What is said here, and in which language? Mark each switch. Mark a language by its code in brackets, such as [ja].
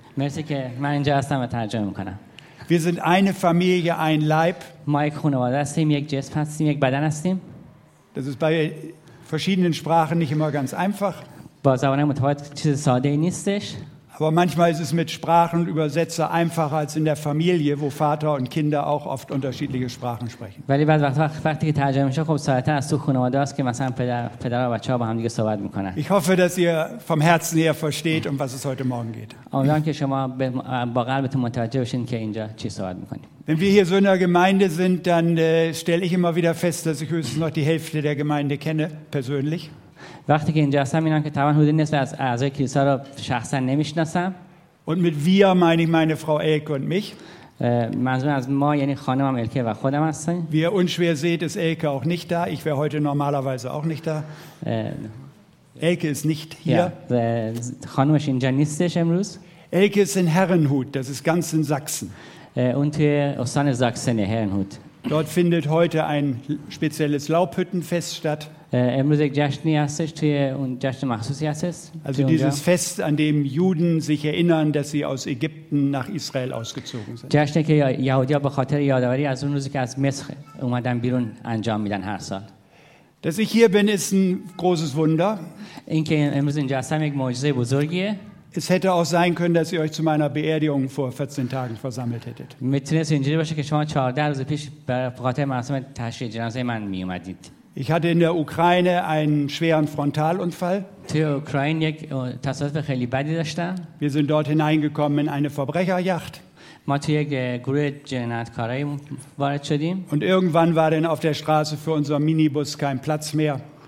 [fa] مرسی که من اینجا هستم و ترجمه میکنم. [de] Wir sind eine Familie, ein Leib. [fa] ما یک خانواده هستیم، یک جسم هستیم، یک بدن هستیم. [de] Das ist bei verschiedenen Sprachen nicht immer ganz einfach. [fa] با زبان متفاوت چیز ساده نیستش. [de] Aber manchmal ist es mit Sprachen und Übersetzer einfacher als in der Familie, wo Vater und Kinder auch oft unterschiedliche Sprachen sprechen. [fa] ولی وقتی که ترجمه میشه خب ساده تر از تو خانواده است که مثلا پدر و بچه‌ها با هم دیگه صحبت میکنن. [de] Ich hoffe, dass ihr vom Herzen her versteht, um was es heute morgen geht. [fa] امیدوارم که شما با قلبتون متوجه بشین که اینجا چی صحبت میکنیم. [de] Wenn wir hier so in der Gemeinde sind, dann stelle ich immer wieder fest, dass ich höchstens noch die Hälfte der Gemeinde kenne persönlich. [fa] وقتی که اینجا هستم میبینم که طبعا حدود نصف از اعضای کلیسا رو شخصا نمیشناسم. [de] Und mit wir meine ich meine Frau Elke und mich. [fa] منظور از ما یعنی خانمم الکه و خودم هستیم. [de] Wie ihr unschwer seht, ist Elke auch nicht da. Ich wäre heute normalerweise auch nicht da. Elke ist nicht hier. [fa] خانمش اینجا نیستش امروز. [de] Elke ist in Herrenhut, das ist ganz in Sachsen. [fa] Und استان ساکسن Herrenhut. [de] Dort findet heute ein spezielles Laubhüttenfest statt. [fa] امروز یک جشنی هستش توی اون جشن مخصوصی هستش. [de] Also dieses Fest, an dem Juden sich erinnern, dass sie aus Ägypten nach Israel ausgezogen sind. [fa] جشنی که یهودی‌ها به خاطر یادآوری از اون روزی که از مصر اومدن بیرون انجام میدن هر سال. [de] Dass ich hier bin, ist ein großes Wunder. [fa] اینکه امروز اینجا هستم یک معجزه بزرگیه. [de] Es hätte auch sein können, dass ihr euch zu meiner Beerdigung vor 14 Tagen versammelt hättet. [fa] میتونست اینجوری باشه که شما 14 روز پیش به خاطر مراسم تشییع جنازه من می اومدید. [de] Ich hatte in der Ukraine einen schweren Frontalunfall. Wir sind dort hineingekommen in eine Verbrecherjacht. Und irgendwann war dann auf der Straße für unseren Minibus kein Platz mehr.